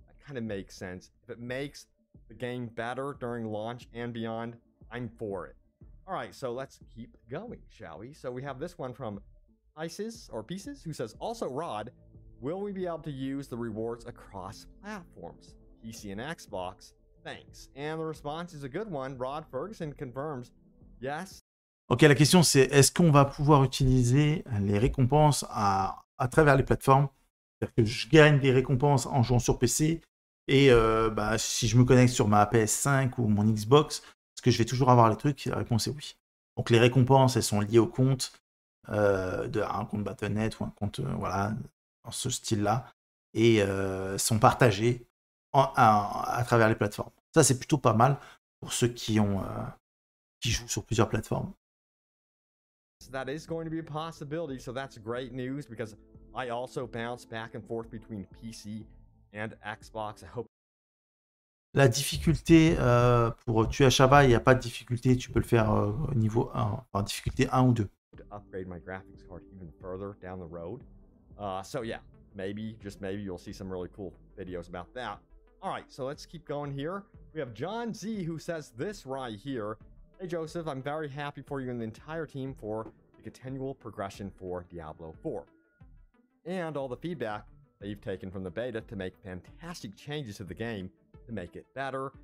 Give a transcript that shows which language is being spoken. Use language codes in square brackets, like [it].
[en] That kind of makes sense. If it makes the game better during launch and beyond, I'm for it. All right, so let's keep going, shall we? So we have this one from Isis or Pieces, who says, also Rod, will we be able to use the rewards across platforms, PC and Xbox? Thanks. And the response is a good one. Rod Ferguson confirms, yes. [fr] Ok, la question c'est est-ce qu'on va pouvoir utiliser les récompenses à travers les plateformes ? C'est-à-dire que je gagne des récompenses en jouant sur PC et si je me connecte sur ma PS5 ou mon Xbox, est-ce que je vais toujours avoir les trucs ? La réponse est oui. Donc les récompenses, elles sont liées au compte, un compte Battle.net ou un compte, voilà, dans ce style-là, et sont partagées à travers les plateformes. Ça, c'est plutôt pas mal pour ceux qui jouent sur plusieurs plateformes. [en] That is going to be a possibility, so that's great news because I also bounce back and forth between PC and Xbox. I hope. [fr] La difficulté pour tuer Ashava, il n'y a pas de difficulté, tu peux le faire niveau 1, en difficulté 1 ou 2. [en] To upgrade my graphics card even further down the road. So yeah, maybe, just maybe, you'll see some really cool videos about that. All right, so let's keep going here. We have John Z who says this right here. Hey Joseph, I'm very happy for you and the entire team for the continual progression for Diablo 4 and all the feedback that you've taken from the beta to make fantastic changes to the game to make it better.